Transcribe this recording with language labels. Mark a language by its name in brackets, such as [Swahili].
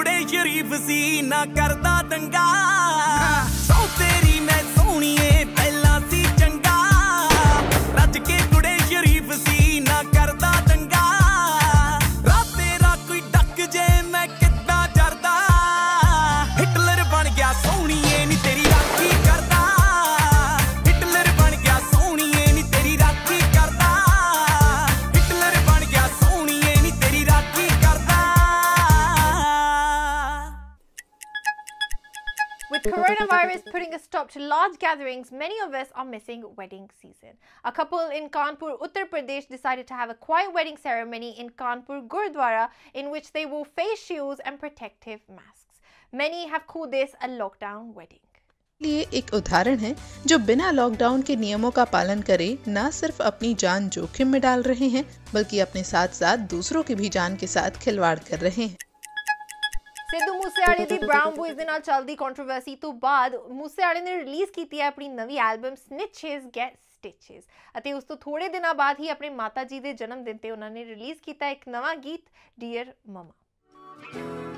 [Punjabi] ਸ਼ਰੀਫ ਸੀ ਨਾ ਕਰਦਾ ਦੰਗਾ ਸੋ ਤੇਰੀ ਮੈਂ ਸੋਹਣੀਏ ਪਹਿਲਾਂ ਸੀ ਚੰਗਾ ਰੱਜ ਕੇ ਕੁੜੇ ਸ਼ਰੀਫ ਸੀ ਨਾ ਕਰਦਾ ਦੰਗਾ ਰਾਤੇ ਰਾਤ ਕੋਈ ਡੱਕ ਜੇ ਮੈਂ ਕਿੱਦਾਂ ਚੜਦਾ ਹਿਟਲਰ ਬਣ ਗਿਆ ਸੋਹਣੀਏ ਨੀ ਤੇਰੀ ਰਾਖੀ ਕਰਦਾ ਹਿਟਲਰ ਬਣ ਗਿਆ ਸੋਹਣੀਏ ਨੀ ਤੇਰੀ ਰਾਖੀ ਕਰਦਾ ਹਿਟਲਰ ਬਣ ਗਿਆ ਸੋਹਣੀਏ ਨੀ ਤੇਰੀ ਰਾਖੀ [English] With coronavirus putting a stop to large gatherings, many of us are missing wedding season. A couple in Kanpur, Uttar Pradesh decided to have a quiet wedding ceremony in Kanpur Gurdwara in which they wore face shields and protective masks. Many have called this a lockdown wedding. [Hindi] लिए एक उदाहरण है जो बिना lockdown के नियमों का पालन करे न सिर्फ अपनी जान जोखिम में डाल रहे हैं बल्कि अपने साथ साथ दूसरों की भी जान के साथ खिलवाड़ कर रहे हैं। [Punjabi] ਸਿੱਧੂ ਮੂਸੇਵਾਲੇ ਦੀ ਬ੍ਰਾਊਨ ਬੋਇਜ਼ ਦੇ ਨਾਲ ਚੱਲਦੀ ਕੰਟਰੋਵਰਸੀ ਤੋਂ ਬਾਅਦ ਮੂਸੇਵਾਲੇ ਨੇ ਰਿਲੀਜ਼ ਕੀਤੀ ਹੈ ਆਪਣੀ ਨਵੀਂ ਐਲਬਮ ਸਨਿਚਸ ਗੈਟ ਸਟਿਚਸ ਅਤੇ ਉਸ ਤੋਂ ਥੋੜ੍ਹੇ ਦਿਨਾਂ ਬਾਅਦ ਹੀ ਆਪਣੇ ਮਾਤਾ ਜੀ ਦੇ ਜਨਮ ਦਿਨ 'ਤੇ ਉਹਨਾਂ ਨੇ ਰਿਲੀਜ਼ ਕੀਤਾ ਇੱਕ ਨਵਾਂ ਗੀਤ ਡੀਅਰ ਮਮਾ।